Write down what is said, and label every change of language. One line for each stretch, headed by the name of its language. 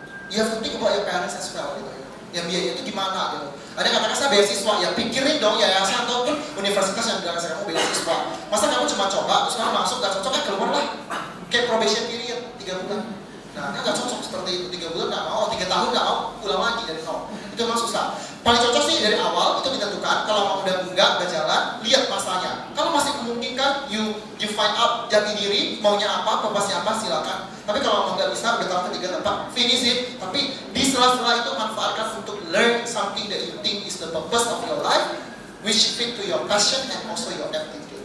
Indonesian: Ya penting kalau
English: your parents as well
Indonesian: gitu ya. Yang biaya itu gimana gitu. Ada katakan saya beasiswa, ya pikirin dong ya, yayasan ataupun universitas yang bilang saya kamu beasiswa. Masa kamu cuma coba, terus kamu masuk, gak cocok, kan keluar lah. Kayak probation period, 3 bulan. Nah, kan gak cocok seperti itu, 3 bulan gak mau, 3 tahun gak mau, pulang lagi dari nol. Itu memang susah. Paling cocok sih dari awal, itu ditentukan, kalau mau udah enggak, udah jalan, lihat masanya. Kalau masih memungkinkan,
English: you find out
Indonesian: jati diri, maunya apa, purpose-nya apa, silakan. Tapi kalau enggak bisa, udah tahun ketiga tempat,
English: finish it.
Indonesian: Tapi di sela-sela itu manfaatkan untuk
English: learn something that you think is the purpose of your life, which fit to your passion and also your aptitude.